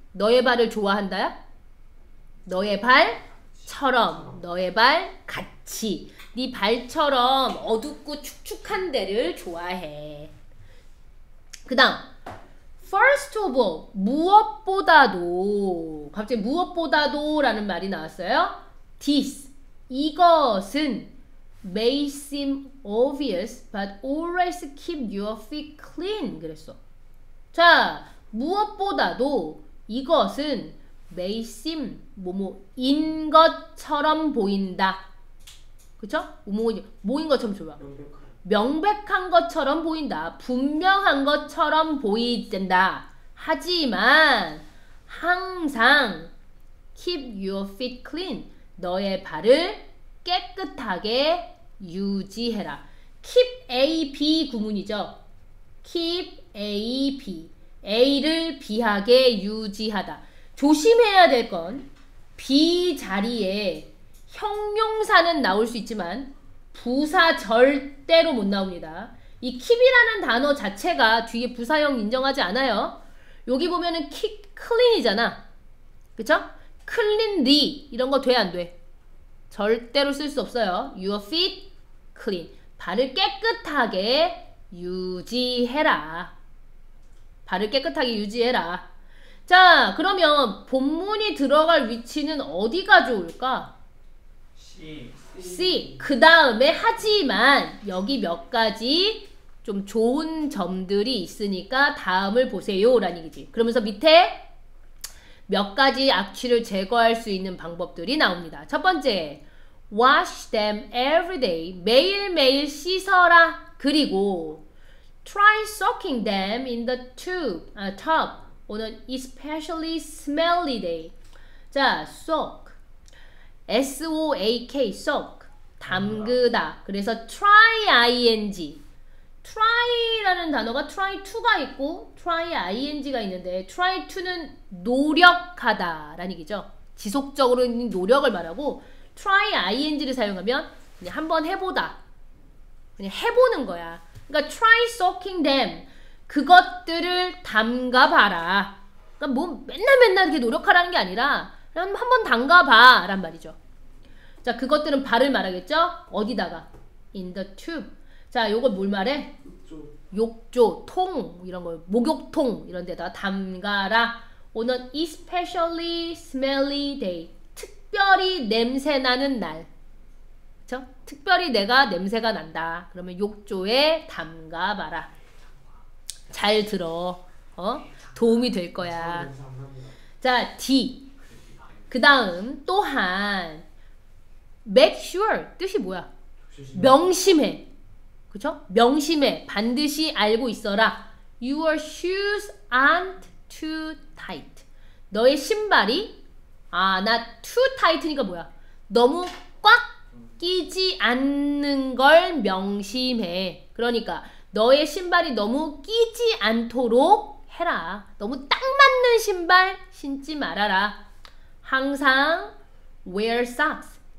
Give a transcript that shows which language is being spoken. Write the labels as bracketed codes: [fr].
[ko] 너의 발을 좋아한다야? 너의 발처럼. 너의 발 같이. 네 발처럼 어둡고 축축한 데를 좋아해. 그 다음 [en] First of all, [ko] 무엇보다도 갑자기 무엇보다도 라는 말이 나왔어요. [en] This, [ko] 이것은 [en] may seem obvious but always keep your feet clean [ko] 그랬어. 자, 무엇보다도 이것은 [en] may seem [ko] 뭐뭐 인 것처럼 보인다. 그쵸? 뭐인 것처럼 좋아. 명백한 것처럼 보인다. 분명한 것처럼 보이든다. 하지만 항상 [en] keep your feet clean. [ko] 너의 발을 깨끗하게 유지해라. keep A, B 구문이죠. keep A, B. A를 B하게 유지하다. 조심해야 될 건 B 자리에 형용사는 나올 수 있지만 부사 절대로 못 나옵니다. 이 keep이라는 단어 자체가 뒤에 부사형 인정하지 않아요. 여기 보면은 keep clean이잖아. 그쵸? cleanly 이런 거 돼 안 돼? 절대로 쓸 수 없어요. [en] your feet clean. [ko] 발을 깨끗하게 유지해라. 발을 깨끗하게 유지해라. 자, 그러면 본문이 들어갈 위치는 어디가 좋을까? C. C. 그 다음에 하지만 여기 몇 가지 좀 좋은 점들이 있으니까 다음을 보세요 라는 얘기지. 그러면서 밑에 몇 가지 악취를 제거할 수 있는 방법들이 나옵니다. 첫 번째, [en] wash them every day. [ko] 매일매일 씻어라. [en] 그리고 try soaking them in the tube, tub on an especially smelly day. [ko] 자, soak. S-O-A-K, soak, 담그다. 그래서 try, I-N-G. try라는 단어가 try to가 있고 try, I-N-G가 있는데 try to는 노력하다 라는 얘기죠. 지속적으로 노력을 말하고 try, I-N-G를 사용하면 그냥 한번 해보다. 그냥 해보는 거야. 그러니까 [en] try soaking them. [ko] 그것들을 담가봐라. 그러니까 뭐 맨날 이렇게 노력하라는 게 아니라 한번 담가봐 란 말이죠. 자, 그것들은 발을 말하겠죠? 어디다가? [en] In the tube. [ko] 자, 요걸 뭘 말해? 욕조. 욕조, 통 이런 걸 목욕통 이런 데다 담가라. [en] On an especially smelly day. [ko] 특별히 냄새 나는 날. 그쵸? 특별히 내가 냄새가 난다. 그러면 욕조에 담가봐라. 잘 들어. 어? 도움이 될 거야. 자, D. 그 다음 또한 [en] make sure [ko] 뜻이 뭐야? 명심해. 그쵸? 명심해. 반드시 알고 있어라. [en] Your shoes aren't too tight. [ko] 너의 신발이 [en] not too tight [ko] 니까 뭐야? 너무 꽉 끼지 않는 걸 명심해. 그러니까 너의 신발이 너무 끼지 않도록 해라. 너무 딱 맞는 신발 신지 말아라. 항상 [en] wear socks.